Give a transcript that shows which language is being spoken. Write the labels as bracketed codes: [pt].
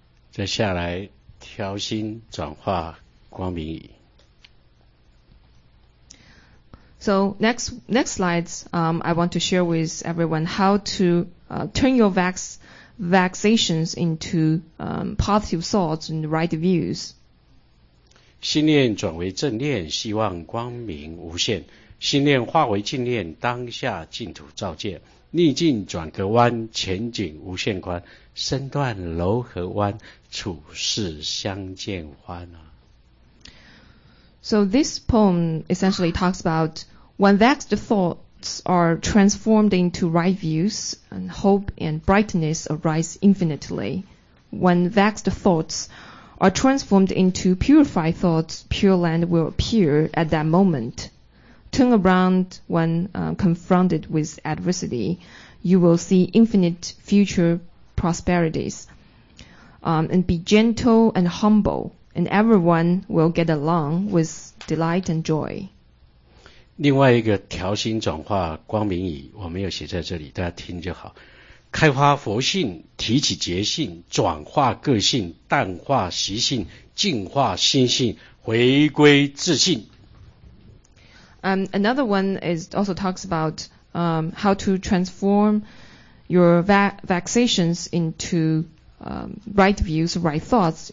[zh] 再下来，调心转化光明矣。 [en] So next slides, I want to share with everyone how to turn your vexations into positive thoughts and right views. [zh] 心念转为正念，希望光明无限。心念化为净念，当下净土照见。逆境转个弯，前景无限宽。身断柔和弯，处世相见欢。 [en] So this poem essentially talks about when vexed thoughts are transformed into right views, and hope and brightness arise infinitely. When vexed thoughts are transformed into purified thoughts, pure land will appear at that moment. Turn around when confronted with adversity, you will see infinite future prosperities. And be gentle and humble, and everyone will get along with delight and joy. [zh] 另外一个调心转化光明矣，我没有写在这里，大家听就好。开发佛性，提起觉性，转化个性，淡化习性，净化心性，回归自信。 [en] Another one is also talks about how to transform your vexations into right views, right thoughts.